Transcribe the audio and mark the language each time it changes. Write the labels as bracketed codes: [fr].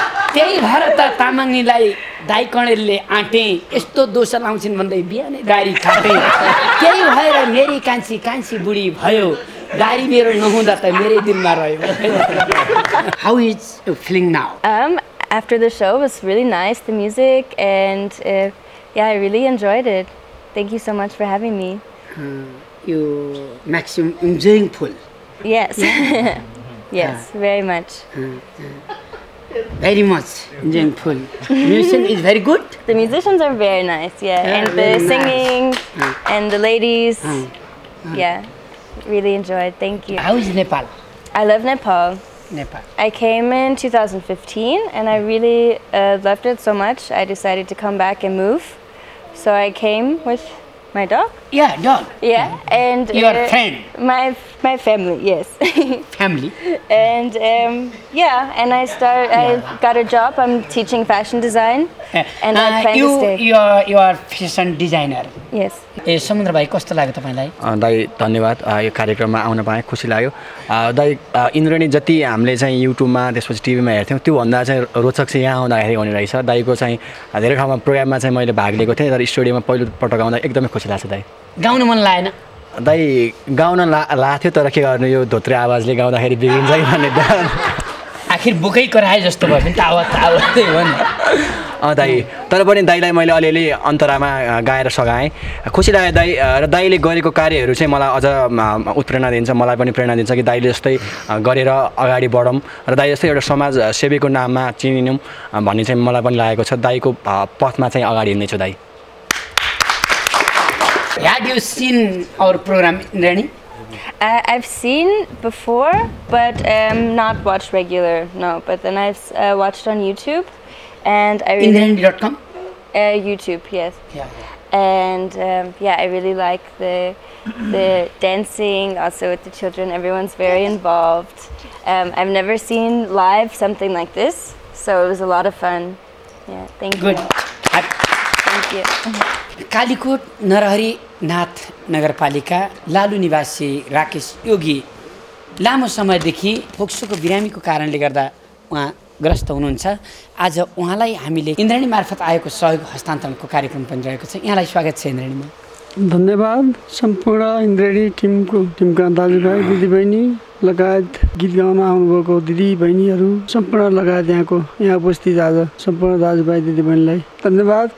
[ne] त्यही भएर त तामाङनीलाई दाई कणेलले आँटे, यस्तो दोष लाउँछन् भन्दै बिहानै दारी खाटे. त्यही भएर मेरी कान्छी कान्छी बुढी भयो, दारी मेरो नहुँदा त मेरै दिनमा रह्यो. [en] How is you feeling now after the show? Was really nice the music and yeah, I really enjoyed it. Thank you so much for having me. You maximum enjoying full. Yes. Yes, very much. Very much enjoying full. Musician is very good. The musicians are very nice, yeah. And the singing and the ladies. Yeah. Really enjoyed. Thank you. How is Nepal? I love Nepal. Nepal. I came in 2015 and I really loved it so much. I decided to come back and move. So I came with my dog. Yeah, dog. Yeah, and your friend. My family, yes. Family. And yeah, and I got a job. I'm teaching fashion design. And I plan to stay. You are fashion designer. Yes. [ne] ए समुद्र भाइ कस्तो लाग्यो तपाईँलाई? दाई धन्यवाद, यो कार्यक्रममा आउन पाएँ खुसी लाग्यो. दाई इन्द्रेणी जति हामीले चाहिँ युट्युबमा त्यसपछि टिभीमा हेर्थ्यौँ त्योभन्दा चाहिँ रोचक चाहिँ यहाँ आउँदाखेरि हुने रहेछ. दाईको चाहिँ धेरै ठाउँमा प्रोग्राममा चाहिँ मैले भाग लिएको थिएँ तर स्टुडियोमा पहिलो पटक आउँदा एकदमै खुसी लाग्छ. दाई गाउनु मन लागेन? दाई गाउन लाग्थ्यो तर के गर्नु, यो धोत्रे आवाजले गाउँदाखेरि बिग्रिन्छ कि भन्ने डर. आखिर बुकै कराए जस्तो भयो नि त, आवाज त्यही हो नि. दाई तर पनि दाईलाई मैले अलिअलि अन्तरामा गाएर सघाएँ, खुसी लाग्यो दाई. र दाईले गरेको कार्यहरू चाहिँ मलाई अझ उत्प्रेरणा दिन्छ, मलाई पनि प्रेरणा दिन्छ कि दाईले जस्तै गरेर अगाडि बढौँ र दाई जस्तै एउटा समाज सेवीको नाममा चिनिनौँ भन्ने चाहिँ मलाई पनि लागेको छ. दाईको पथमा चाहिँ अगाडि हिँड्नेछु दाई. [en] Had you seen our program, Indreni? I've seen before, but not watched regular, no. But then I've watched on YouTube. And I really Indreni.com? YouTube, yes. Yeah. And I really like the dancing also with the children. Everyone's very involved. I've never seen live something like this, so it was a lot of fun. Yeah, thank Good. You. Good. Thank you. [ne] Kalikot Narahari Nath Nagarpalika Lalu Nivasi Rakesh Yogi Lamo Samay Dekhi Phokshoko Biramiko Karanle Garda ग्रस्त हुनुहुन्छ. आज उहाँलाई हामीले इन्द्रेणी मार्फत आएको सहयोग हस्तान्तरणको कार्यक्रम पनि रहेको छ. यहाँलाई स्वागत छ इन्द्रेणीमा. धन्यवाद सम्पूर्ण इन्द्रेणी टिमका दाजुभाइ दिदीबहिनी लगायत गीत गाउन आउनुभएको दिदी बहिनीहरू सम्पूर्ण लगायत यहाँ उपस्थित आज सम्पूर्ण दाजुभाइ दिदीबहिनीलाई धन्यवाद.